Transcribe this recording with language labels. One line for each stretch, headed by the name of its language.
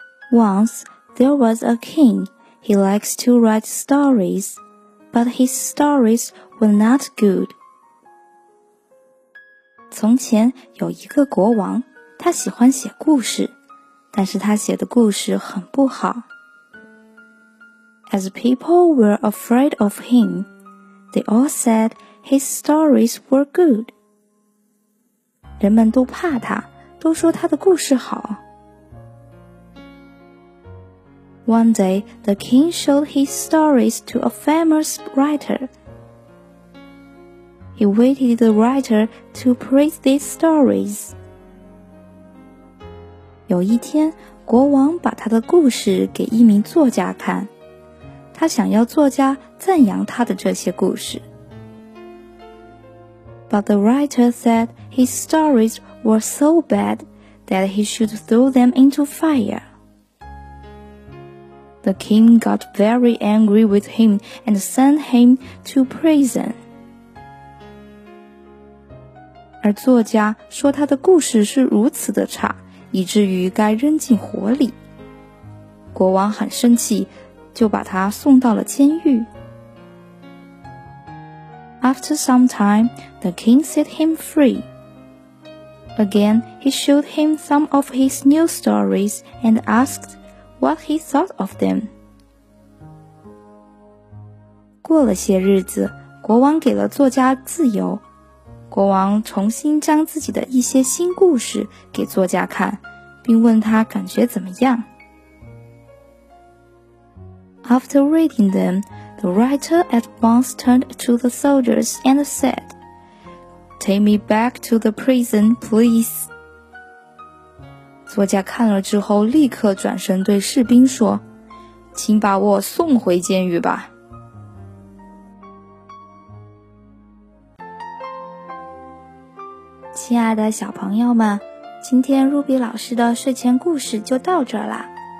English: Once there was a king, he likes to write stories, but his stories were not good.
Chinese: 从前有一个国王，他喜欢写故事，但是他写的故事很不好。
English: As people were afraid of him, they all said his stories were good.
Chinese: 人们都怕他，都说他的故事好。
English: One day, the king showed his stories to a famous writer. He waited the writer to praise these stories.
Chinese: 有一天，国王把他的故事给一名作家看，他想要作家赞扬他的这些故事。
English: But the writer said his stories were so bad that he should throw them into fire. The king got very angry with him and sent him to prison.
Chinese: 而作家说他的故事是如此的差，以至于该扔进火里。国王很生气，就把他送到了监狱。
English: After some time, the king set him free. Again, he showed him some of his new stories and asked what he thought of them.
Chinese: 过了些日子，国王给了作家自由。国王重新将自己的一些新故事给作家看，并问他感觉怎么样。
English: After reading them, the writer at once turned to the soldiers and said, "Take me back to the prison, please."
Chinese: 作家看了之后，立刻转身对士兵说，请把我送回监狱吧。亲爱的小朋友们，今天 Ruby 老师的睡前故事就到这啦。